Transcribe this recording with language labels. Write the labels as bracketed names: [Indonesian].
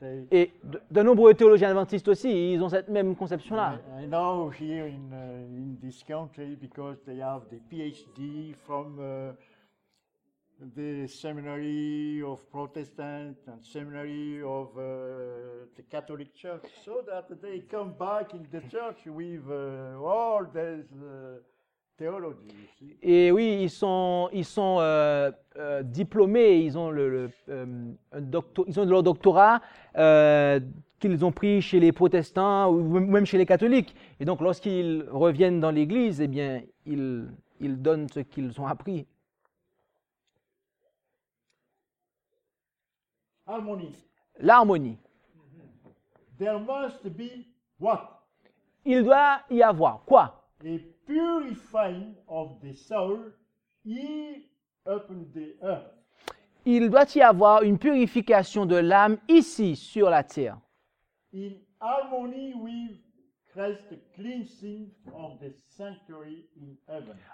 [French] Et de nombreux théologiens adventistes aussi, ils ont cette même conception-là. [English] I know here in this country because they have the PhD from the seminary of Protestant and seminary of the Catholic Church, so that they come back in the church with all this theology. You see? [French] Et oui, ils sont diplômés, ils ont leur doctorat qu'ils ont pris chez les protestants ou même chez les catholiques. Et donc, lorsqu'ils reviennent dans l'église, eh bien, ils donnent ce qu'ils ont appris. Harmonie. L'harmonie. [English] There must be what? [French] Il doit y avoir quoi? [English] A purifying of the soul here upon the earth. [French] Il doit y avoir une purification de l'âme ici sur la terre. [English] In harmony with Christ's cleansing of the sanctuary in heaven.